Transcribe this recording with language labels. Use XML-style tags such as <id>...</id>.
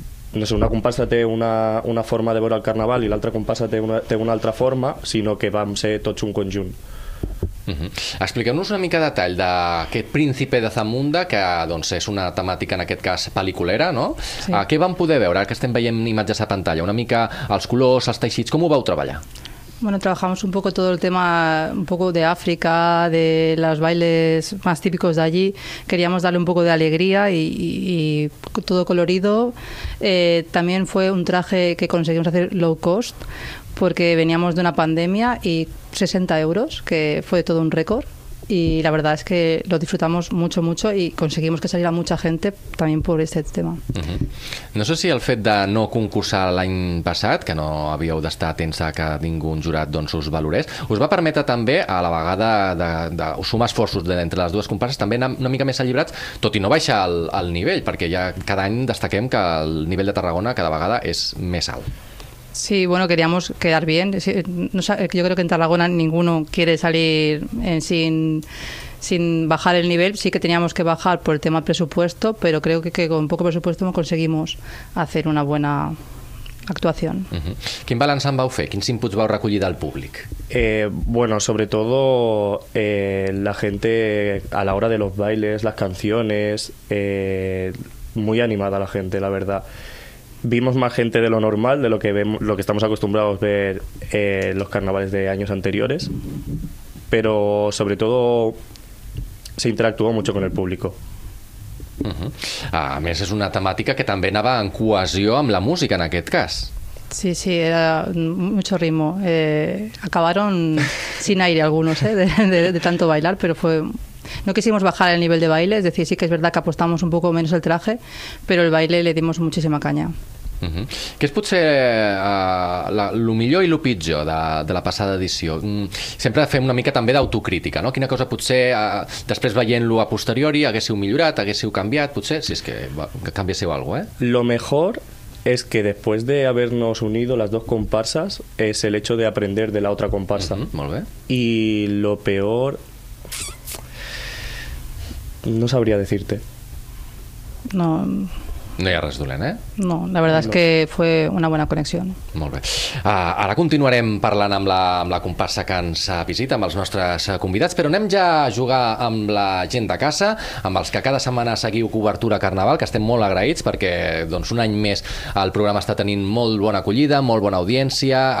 <ca>no sé, una comparsa té una forma de veure el carnaval i l'altra comparsa té una altra forma, sinó que vam ser tots un conjunt. Expliqueu-nos una mica de detall d'aquest Príncipe de Zamunda, que doncs, és una temàtica, en aquest cas, pel·liculera, no? Sí. Què vam poder veure? Ara que estem veient imatges a pantalla, una mica els colors, els teixits, com ho vau treballar?</ca> <es>Bueno, trabajamos un poco todo el tema un poco de África, de los bailes más típicos de allí. Queríamos darle un poco de alegría y todo colorido. También fue un traje que conseguimos hacer low cost porque veníamos de una pandemia y 60 euros, que fue todo un récord. Y la verdad es que lo disfrutamos mucho, mucho y conseguimos que saliera mucha gente también por este tema.</es> <ca>No sé si el fet de no concursar l'any passat, que no havíeu d'estar atents a que ningú un jurat doncs, us valorés, us va permetre també, a la vegada de sumar esforços entre les dues comparses, també anar una mica més alliberats, tot i no baixar el nivell, perquè ja cada any destaquem que el nivell de Tarragona cada vegada és més alt.</ca> <es>Sí, bueno, queríamos quedar bien. Yo creo que en Tarragona ninguno quiere salir sin bajar el nivel. Sí que teníamos que bajar por el tema presupuesto, pero creo que con poco presupuesto conseguimos hacer una buena actuación.</es> <ca>Quin balanç en vau fer? Quins inputs vau recollir del públic?</ca> <es>Bueno, sobre todo la gente a la hora de los bailes, las canciones, muy animada la gente, la verdad. Vimos más gente de lo normal, de lo que vemos, lo que estamos acostumbrados a ver los carnavales de años anteriores, pero sobre todo se interactuó mucho con el público.</es> <ca>A més, és una temàtica que també anava en cohesió amb la música, en aquest cas.</ca> <es>Sí, sí, era mucho ritmo. Acabaron sin aire algunos, de tanto bailar, pero fue... No quisimos bajar el nivel de baile, es decir, sí que es verdad que apostamos un poco menos el traje, pero el baile le dimos muchísima caña.</es> <ca>Què és potser el millor i el pitjor de la passada edició? Sempre fem una mica també d'autocrítica, no? Quina cosa potser, després veient-lo a posteriori, haguéssiu millorat, haguéssiu canviat, potser, si és que canviéssiu alguna cosa,</ca> <es>Lo mejor es que después de habernos unido las dos comparsas, es el hecho de aprender de la otra comparsa.</es> <ca>Molt bé.</ca> <es>Y lo peor... No sabría decirte. No...</es> <ca>No hi ha res dolent, eh?</ca> <es>No, la verdad es que fue una buena conexión.</es> <ca>Molt bé. Ara continuarem parlant amb la comparsa que ens visita, amb els nostres convidats, però anem ja a jugar amb la gent de casa, amb els que cada setmana seguiu Cobertura Carnaval, que estem molt agraïts perquè doncs, un any més el programa està tenint molt bona acollida, molt bona audiència.</ca>